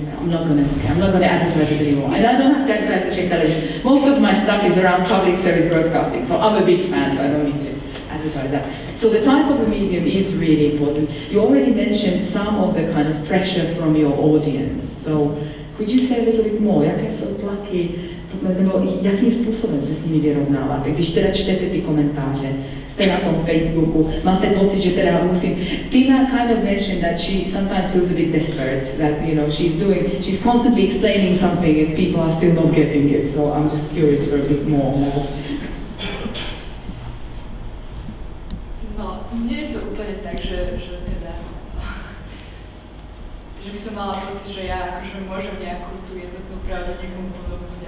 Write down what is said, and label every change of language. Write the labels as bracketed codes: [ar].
[en] I'm not gonna advertise it anymore, and I don't have to advertise the Czech television. Most of my stuff is around public service broadcasting, so I'm a big fan. So I don't need to advertise that. So the type of the medium is really important. You already mentioned some of the kind of pressure from your audience. So could you say a little bit more? [cs] Jaké jsou tlaky? Nebo jakým způsobem se s nimi vyrovnáváte, když teda čtete ty komentáře, jste na tom Facebooku, máte pocit, že teda musím. [en] Tina kind of mentioned that she sometimes feels a bit desperate, that she's constantly explaining something and people are still not getting it, so I'm just curious for a bit more. [cs] No, mně je to úplně tak, že když jsem přišla do Čech, tak jsem měla pocit, že já můžem nějakou tu jednotnou pravdu někomu podobnou.